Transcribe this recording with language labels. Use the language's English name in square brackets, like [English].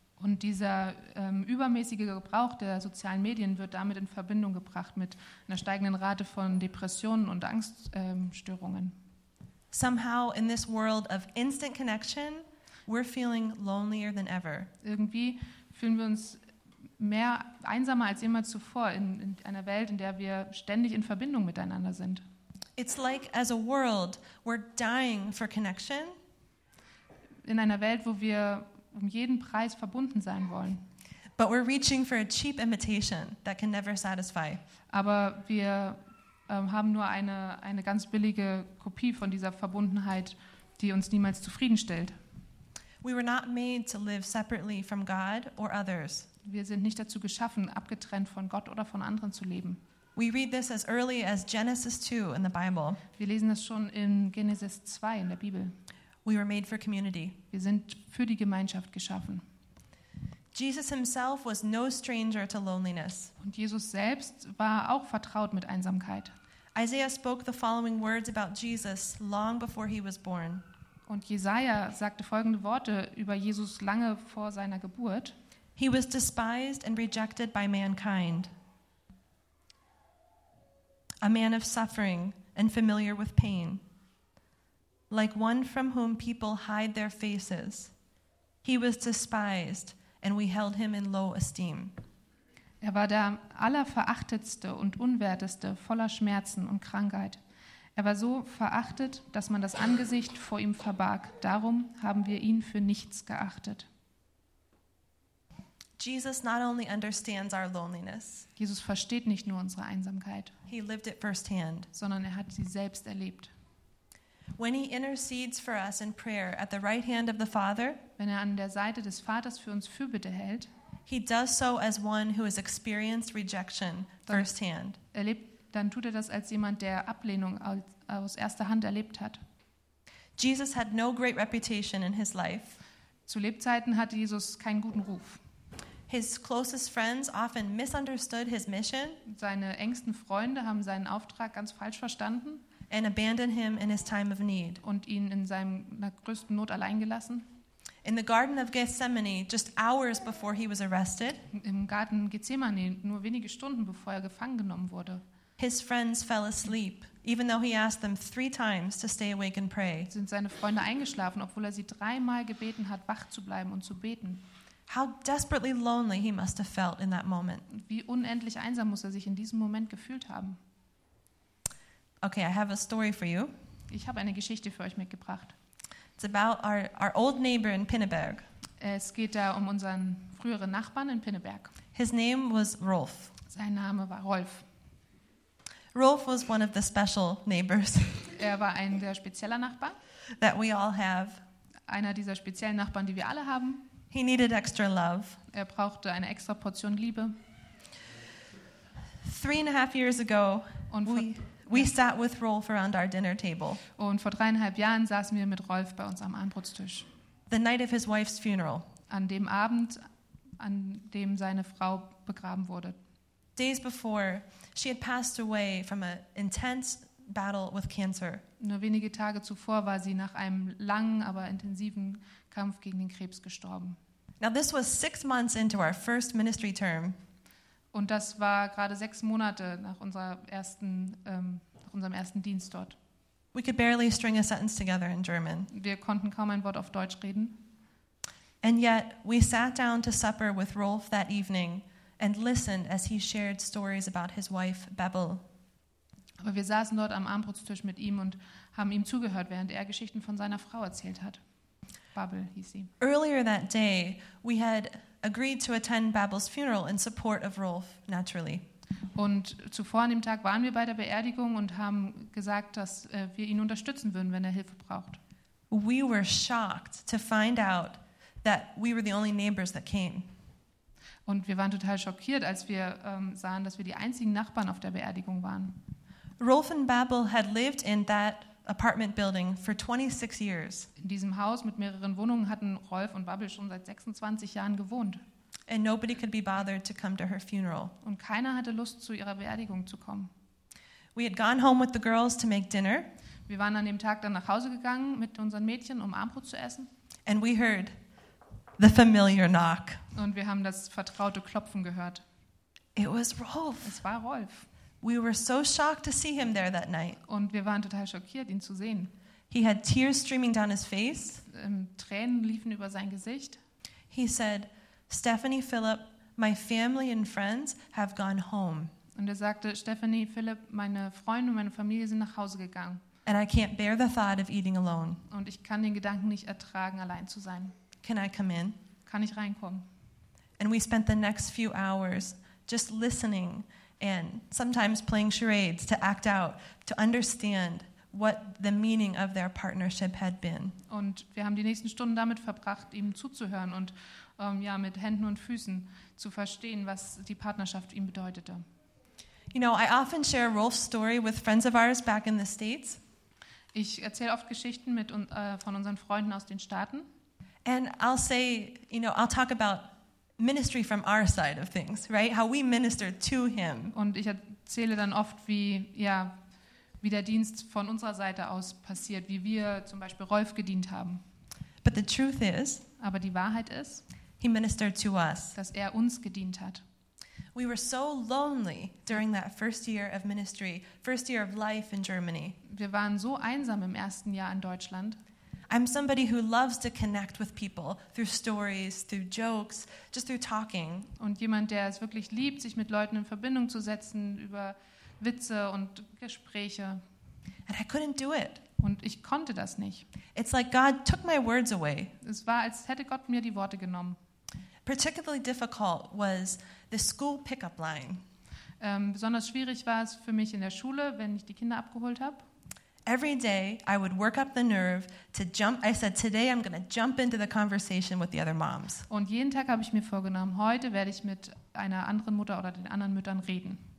[German] Und dieser übermäßige Gebrauch der sozialen Medien wird damit in Verbindung gebracht mit einer steigenden Rate von Depressionen und Angststörungen. [English] Somehow in this world of instant connection, we're feeling lonelier than ever. [German] Irgendwie fühlen wir uns mehr einsamer als immer zuvor in einer Welt, in der wir ständig in Verbindung miteinander sind. [English] It's like as a world, we're dying for connection. [German] In einer Welt, wo wir um jeden Preis verbunden sein wollen. [English] But we're reaching for a cheap imitation that can never satisfy. [German] Aber wir haben nur eine ganz billige Kopie von dieser Verbundenheit, die uns niemals zufriedenstellt. [English] We were not made to live separately from God or others. [German] Wir sind nicht dazu geschaffen, abgetrennt von Gott oder von anderen zu leben. [English] We read this as early as Genesis 2 in the Bible. [German] Wir lesen das schon in Genesis 2 in der Bibel. [English] We were made for community. [German] Wir sind für die Gemeinschaft geschaffen. [English] Jesus himself was no stranger to loneliness. [German] Und Jesus selbst war auch vertraut mit Einsamkeit. [English] Isaiah spoke the following words about Jesus long before he was born. [German] Und Jesaja sagte folgende Worte über Jesus lange vor seiner Geburt. [English] He was despised and rejected by mankind. A man of suffering and familiar with pain. Like one from whom people hide their faces. He was despised and we held him in low esteem. [German] Er war der Allerverachtetste und Unwerteste, voller Schmerzen und Krankheit. Er war so verachtet, dass man das Angesicht vor ihm verbarg. Darum haben wir ihn für nichts geachtet. [English] Jesus not only understands our loneliness. [German] Jesus versteht nicht nur unsere Einsamkeit. [English] He lived it firsthand. [German] Sondern er hat sie selbst erlebt. [English] When he intercedes for us in prayer at the right hand of the Father, [German] wenn er an der Seite des Vaters für uns Fürbitte hält, [English] he does so as one who has experienced rejection firsthand. [German] Dann tut er das als jemand, der Ablehnung aus erster Hand erlebt hat. [English] Jesus had no great reputation in his life. [German] Zu Lebzeiten hatte Jesus keinen guten Ruf. [English] His closest friends often misunderstood his mission. [German] Seine engsten Freunde haben seinen Auftrag ganz falsch verstanden. [English] And abandoned him in his time of need. [German] Und ihn in seiner größten Not allein gelassen. [English] In the Garden of Gethsemane, just hours before he was arrested. [German] Im Garten Gethsemane, nur wenige Stunden bevor er gefangen genommen wurde. [English] His friends fell asleep, even though he asked them 3 times to stay awake and pray. [German] Sind seine Freunde eingeschlafen, obwohl er sie 3-mal gebeten hat, wach zu bleiben und zu beten. [English] How desperately lonely he must have felt in that moment. [German] Wie unendlich einsam muss er sich in diesem Moment gefühlt haben. [English] Okay, I have a story for you. [German] Ich habe eine Geschichte für euch mitgebracht. [English] It's about our old neighbor in Pinneberg. [German] Es geht da um unseren früheren Nachbarn in Pinneberg. [English] His name was Rolf. [German] Sein Name war Rolf. [English] Rolf was one of the special neighbors. [German] Er war ein sehr spezieller Nachbar. [English] That we all have. [German] Einer dieser speziellen Nachbarn, die wir alle haben. [English] He needed extra love. [German] Er brauchte eine extra Portion Liebe. [English] 3.5 years ago, we sat with Rolf around our dinner table. [German] Und vor 3.5 Jahren saßen wir mit Rolf bei uns am Abendbrotstisch. [English] The night of his wife's funeral. [German] An dem Abend, an dem seine Frau begraben wurde. [English] Days before, she had passed away from an intense battle with cancer. [German] Nur wenige Tage zuvor war sie nach einem langen, aber intensiven Kampf gegen den Krebs gestorben. [English] Now this was 6 months into our first ministry term. [German] Und das war gerade 6 Monate nach unserem ersten Dienst dort. [English] We could barely string a sentence together in German. [German] Wir konnten kaum ein Wort auf Deutsch reden. [English] And yet we sat down to supper with Rolf that evening and listened as he shared stories about his wife Bebel. [German] Aber wir saßen dort am Abendbrotstisch mit ihm und haben ihm zugehört, während er Geschichten von seiner Frau erzählt hat. Bebel hieß sie. [English] Earlier that day, we had agreed to attend Babel's funeral in support of Rolf, naturally. [German] Und zuvor an dem Tag waren wir bei der Beerdigung und haben gesagt, dass wir ihn unterstützen würden, wenn er Hilfe braucht. [English] We were shocked to find out that we were the only neighbors that came. [German] Und wir waren total schockiert, als wir sahen, dass wir die einzigen Nachbarn auf der Beerdigung waren. [English] Rolf und Bebel had lived in that apartment building for 26 years. [German] In diesem Haus mit mehreren Wohnungen hatten Rolf und Bebel schon seit 26 Jahren gewohnt. [English] And nobody could be bothered to come to her funeral. [German] Und keiner hatte Lust, zu ihrer Beerdigung zu kommen. [English] We had gone home with the girls to make dinner. [German] Wir waren an dem Tag dann nach Hause gegangen mit unseren Mädchen, um Abendbrot zu essen. [English] And we heard the familiar knock. [German] Und wir haben das vertraute Klopfen gehört. [English] It was Rolf. [German] Es war Rolf. [English] We were so shocked to see him there that night. [German] Und wir waren total schockiert, ihn zu sehen. [English] He had tears streaming down his face. [German] Tränen liefen über sein Gesicht. [English] He said, "Stephanie, Philip, my family and friends have gone home." [German] Und er sagte, Stephanie, Philip, meine Freunde und meine Familie sind nach Hause gegangen. [English] And I can't bear the thought of eating alone. [German] Und ich kann den Gedanken nicht ertragen, allein zu sein. [English] Can I come in? [German] Kann ich reinkommen? [English] And we spent the next few hours just listening and sometimes playing charades to act out to understand what the meaning of their partnership had been. [German] Und wir haben die nächsten Stunden damit verbracht, ihm zuzuhören und mit Händen und Füßen zu verstehen, was die Partnerschaft ihm bedeutete. [English] You know, I often share Rolf's story with friends of ours back in the States. [German] Ich erzähle oft Geschichten mit von unseren Freunden aus den Staaten. [English] And I'll say, you know, I'll talk about ministry from our side of things, right? How we ministered to him. [German] Und ich erzähle dann oft, wie der Dienst von unserer Seite aus passiert, wie wir zum Beispiel Rolf gedient haben. [English] But the truth is, [German] aber die Wahrheit ist, [English] he ministered to us. [German] Dass er uns gedient hat. [English] We were so lonely during that first year of ministry, first year of life in Germany. [German] Wir waren so einsam im ersten Jahr in Deutschland. [English] I'm somebody who loves to connect with people through stories, through jokes, just through talking. [German] Und jemand, der es wirklich liebt, sich mit Leuten in Verbindung zu setzen über Witze und Gespräche. [English] And I couldn't do it. [German] Und ich konnte das nicht. [English] It's like God took my words away. [German] Es war, als hätte Gott mir die Worte genommen. [English] Particularly difficult was the school pickup line. [German] Besonders schwierig war es für mich in der Schule, wenn ich die Kinder abgeholt habe. [English] Every day I would work up the nerve to jump. I said, today I'm going to jump into the conversation with the other moms. [German] Und jeden Tag habe ich mir vorgenommen, heute werde ich mit einer anderen Mutter oder den anderen Müttern reden.